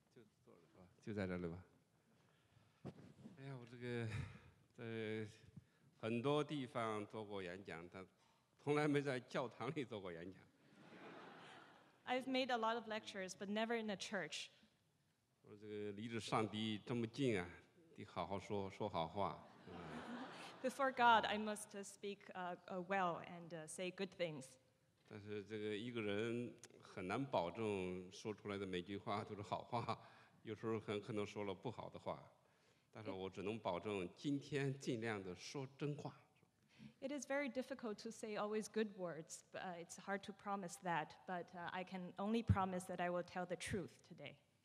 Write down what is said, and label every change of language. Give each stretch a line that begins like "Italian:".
Chinese: 那么刚才欧立德教授已经说明了今天的演讲的规则，那么我想大家呢，那么也就不用我再多在这里累赘的再做介绍。那么现在我们是不是以最热烈的掌声有请莫言先生来为我们做演讲？谢谢。就坐着吧，就在这里吧。哎呀，我这个在很多地方做过演讲，但从来没在教堂里做过演讲。
English: I've made a lot of lectures, but never in a church.
Chinese: 我这个离着上帝这么近啊，得好好说说好话。
English: Before God, I must speak well and say good things.
Chinese: 但是这个一个人很难保证说出来的每句话都是好话，有时候很可能说了不好的话。但是我只能保证今天尽量的说真话。
English: It is very difficult to say always good words, but it's hard to promise that, but I can only promise that I will tell the truth today.